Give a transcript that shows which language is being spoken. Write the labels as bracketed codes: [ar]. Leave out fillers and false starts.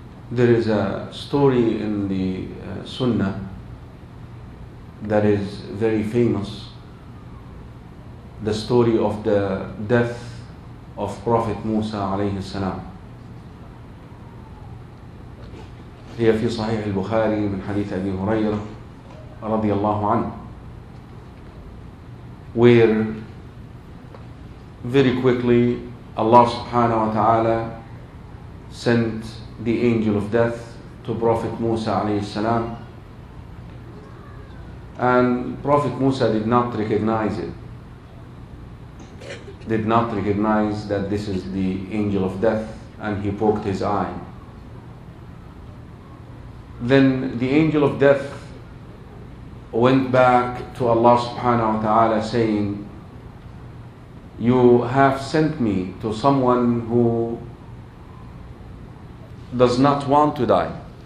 [en] There is a story in the Sunnah that is very famous, the story of the death of Prophet Musa عليه السلام. [ar] هي في صحيح البخاري من حديث أبي هريرة رضي الله عنه, [en] where very quickly Allah سبحانه وتعالى sent the angel of death to Prophet Musa عليه السلام. And Prophet Musa did not recognize that this is the angel of death, and he poked his eye. Then the angel of death went back to Allah subhanahu wa ta'ala saying, you have sent me to someone who does not want to die.